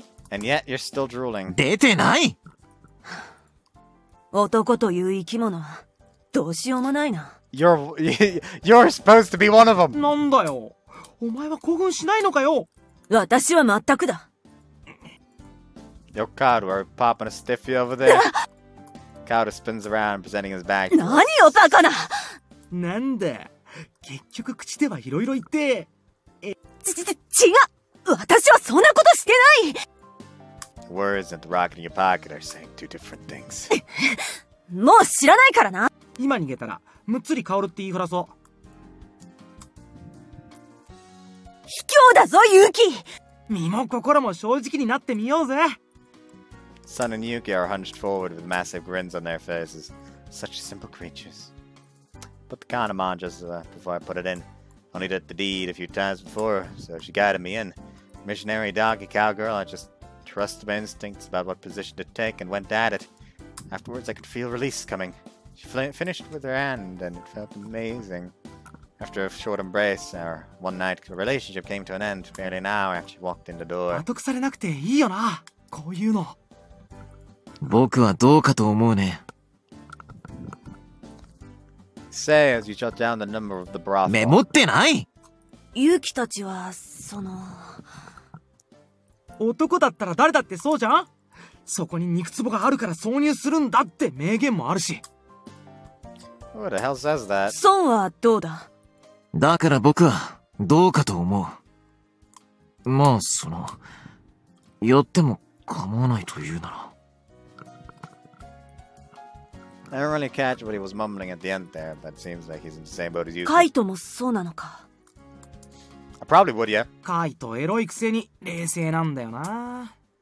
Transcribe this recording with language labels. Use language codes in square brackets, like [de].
[en] And yet you're still drooling. [ja] 出てない! 男という生き物は どうしようもないな。 [en] You're supposed to be one of them. [ja] なんだよ? お前は興奮しないのかよ? 私は全くだ。 [en] Yo, Kaoru, are you popping a stiffy over there? Kaoru spins around, presenting his back. [ja] 何よ、バカな! なんだ? 結局口ではいろいろ言って。違う!私はそんなことしてない! [en] Words and the rocket in your pocket are saying two different things. [ja] もう知らないからな! 今逃げたら、むっつりカオルって言いふらそう。卑怯だぞ、ユウキ! 身も心も正直になってみようぜ! [en] Sun and Yuki are hunched forward with massive grins on their faces. Such simple creatures. Put the condom on just before I put it in. Only did the deed a few times before, so she guided me in. Missionary doggy cowgirl, I just trusted my instincts about what position to take and went at it. Afterwards, I could feel release coming. She finished with her hand, and it felt amazing. After a short embrace, our one-night relationship came to an end barely an hour after she walked in the door. [ja] 納得されなくていいよな、こういうの。僕はどうかと思うね。 [en] Say as you jot down the number of the brothel. [ja] メモってない! ユキたちは、その… 男だったら誰だってそうじゃん?そこに肉壺があるから挿入するんだって名言もあるし。 [en] Who the hell says that? [ja] ソンはどうだ? だから僕は、どうかと思う。まあ、その… 寄っても構わないというなら… [en] I don't really catch what he was mumbling at the end there, but it seems like he's in the same boat as you. [ja] カイトもそうなのか? [en] I probably would, yeah. [ja] カイトエロいくせに冷静なんだよな。